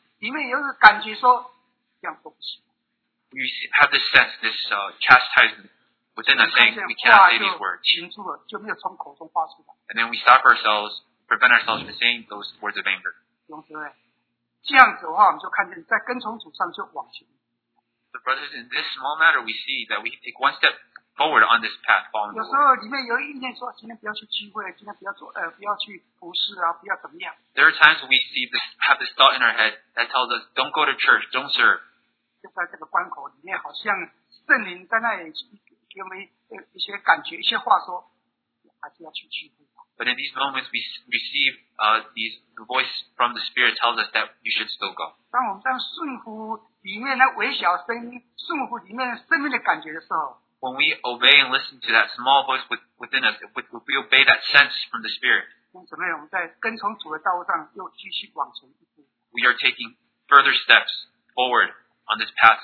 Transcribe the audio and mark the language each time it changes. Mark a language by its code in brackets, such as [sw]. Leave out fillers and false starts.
[en] We have this sense, this chastisement within us saying we cannot say these words. And then we stop ourselves, prevent ourselves from saying those words of anger. [zh] 这样子的话, [en] so brothers, in this small matter, we see that we can take one step forward on this path following the Lord. [zh] 有时候里面有意念说今天不要去聚会，今天不要做，不要去服事啊，不要怎么样。 [en] There are times we see this, have this thought in our head that tells us don't go to church, don't serve. [zh] 就在这个关口里面，好像圣灵在那里给我们一些感觉，一些话说，还是要去聚会。 [en] But in these moments, we receive these the voice from the Spirit tells us that you should still go. [zh] 当我们在顺服里面那微小声音，顺服里面生命的感觉的时候。 [en] When we obey and listen to that small voice within us, if we obey that sense from the Spirit, we are taking further steps forward on this path